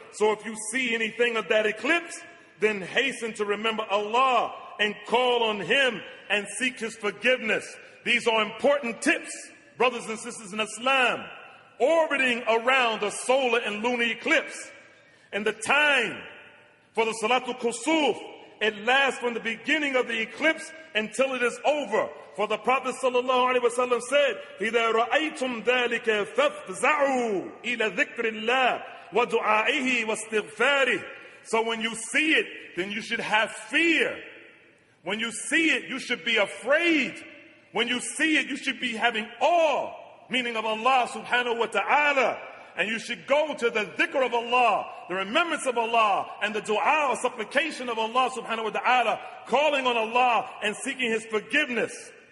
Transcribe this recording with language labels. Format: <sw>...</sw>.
<en>So if you see anything of that eclipse, then hasten to remember Allah and call on him and seek his forgiveness. These are important tips, brothers and sisters in Islam, orbiting around a solar and lunar eclipse. And the time for the Salatul Kusuf, it lasts from the beginning of the eclipse until it is over. For the Prophet sallallahu alaihi wasallam said,</en> <ar>إِذَا رَأَيْتُمْ ذَلِكَ فَافْزَعُوا إِلَى ذِكْرِ اللَّهِ وَدُعَائِهِ وَاسْتِغْفَارِهِ.</ar> <en>So when you see it, then you should have fear. When you see it, you should be afraid. When you see it, you should be having awe, meaning of Allah subhanahu wa ta'ala. And you should go to the dhikr of Allah, the remembrance of Allah, and the dua or supplication of Allah subhanahu wa ta'ala, calling on Allah and seeking his forgiveness.</en>